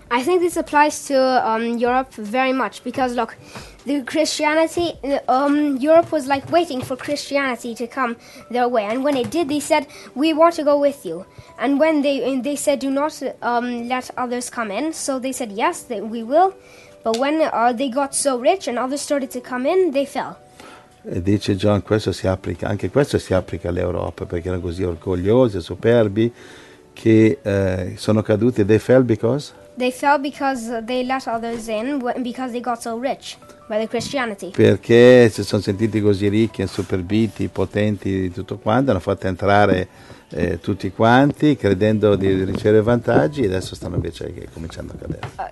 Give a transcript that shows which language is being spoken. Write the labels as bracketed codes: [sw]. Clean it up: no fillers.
[en] I think this applies to Europe very much because, look, the Christianity, Europe was like waiting for Christianity to come their way. And when it did, they said, "We want to go with you." And when they said, "Do not let others come in," so they said, "Yes, we will." But when they got so rich and others started to come in, they fell. [it] E dice John, questo si applica, anche questo si applica all'Europa, perché erano così orgogliosi, superbi, che sono caduti. [en] They fell because? They fell because they let others in, because they got so rich by the Christianity. [it] Perché si sono sentiti così ricchi, insuperbiti, potenti, tutto quanto, hanno fatto entrare tutti quanti, credendo di ricevere vantaggi, e adesso stanno invece cominciando a cadere.